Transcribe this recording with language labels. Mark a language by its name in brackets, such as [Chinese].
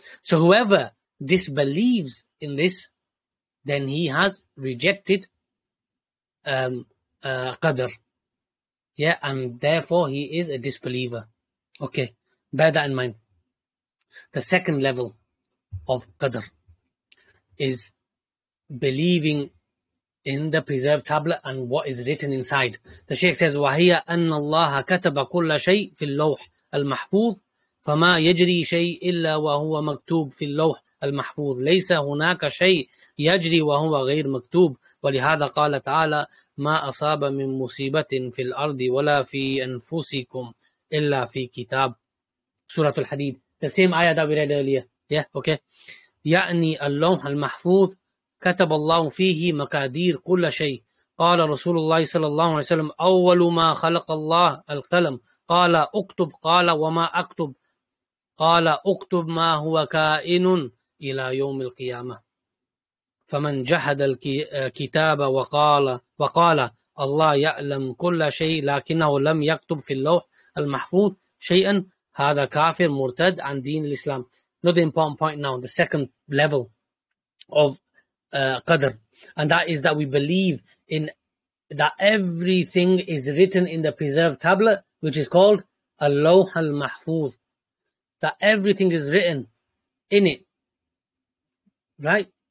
[English] So whoever disbelieves in this, then he has rejected Qadr. Yeah, and therefore he is a disbeliever. Okay, bear that in mind. The second level of Qadr is believing in the preserved tablet and what is written inside. The Shaykh says, [Arabic] وَهِيَ أَنَّ اللَّهَ كَتَبَ كُلَّ شَيْءٍ فِي اللَّوْحِ الْمَحْفُوظِ فَمَا يَجْرِي شَيْءٍ إِلَّا وَهُوَ مَكْتُوبٍ فِي اللَّوْحِ الْمَحْفُوظِ لَيْسَ هُنَاكَ شَيْءٍ يَجْرِي وَهُوَ غَيْرٍ مَكْتُوبٍ ولهذا قال تعالى ما أصاب من مصيبة في الأرض ولا في أنفسكم إلا في كتاب سورة الحديد. [English] The same ayah that we read earlier. Yeah, okay. [Arabic] يعني اللوح المحفوظ كتب الله فيه مقادير كل شيء. قال رسول الله صلى الله عليه وسلم أول ما خلق الله القلم. قال أكتب. قال وما أكتب. قال أكتب ما هو كائن إلى يوم القيامة. فمن جحد الكتاب وقال الله يعلم كل شيء لكنه لم يكتب في اللوح المحفوظ شيئا هذا كافر مرتد عن دين الإسلام. [English] Not the important point now, the second level of Qadr, and that is that we believe in that everything is written in the preserved tablet, which is called اللوح المحفوظ. That everything is written in it, right?